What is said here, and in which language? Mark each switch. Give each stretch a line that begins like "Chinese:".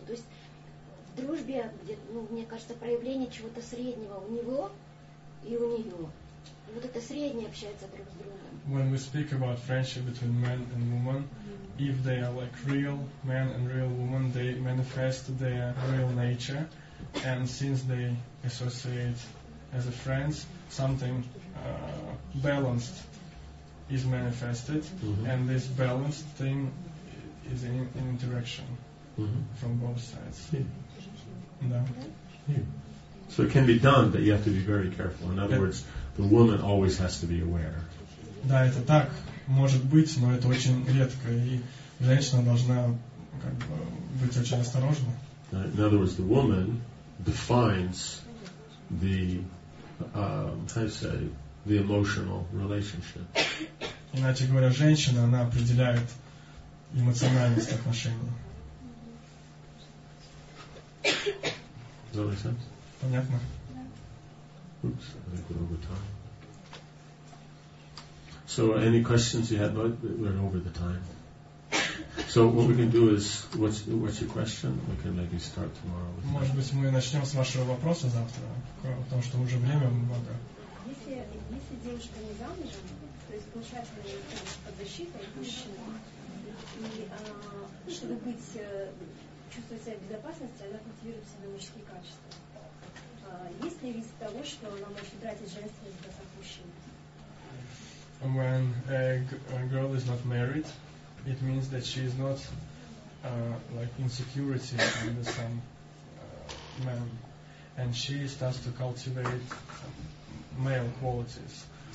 Russian: То есть в дружбе, где, ну, мне кажется, проявление чего-то среднего у него и у нее. И вот это среднее общается друг с другом.
English: When we speak about friendship between man and woman, if they are like real man and real woman, they manifest their real nature, and since they associate as a friends, something balanced is manifested, mm-hmm. and this balanced thing is in interaction mm-hmm. from both sides. Yeah. No? Yeah. So it can be done, but you have to be very careful. In other words, the woman always has to be aware.
Russian: Да, это так может быть, но это очень редко, и женщина должна как бы быть очень осторожна.
English: In other words, the woman defines the how to say the emotional relationship.
Russian: Иначе говоря, женщина, она определяет эмоциональность отношений.
English: Does that make sense?
Russian: Понятно.
English: Oops, I think we're over time. So, any questions you had about? We're over the time. So, what we can do is, what's your question? We can maybe start tomorrow. With
Russian: Может быть, мы начнем с вашего вопроса завтра, потому что уже время много. Если девушка не замужем, то есть получается она под защитой мужчины, и чтобы быть чувствовать себя в безопасности, она культивирует себе мужские качества. Есть ли риск того, что она может утратить женственность до как мужчины?
English: When a girl is not married, it means that she is not like insecurity under some man, and she starts to cultivate male qualities.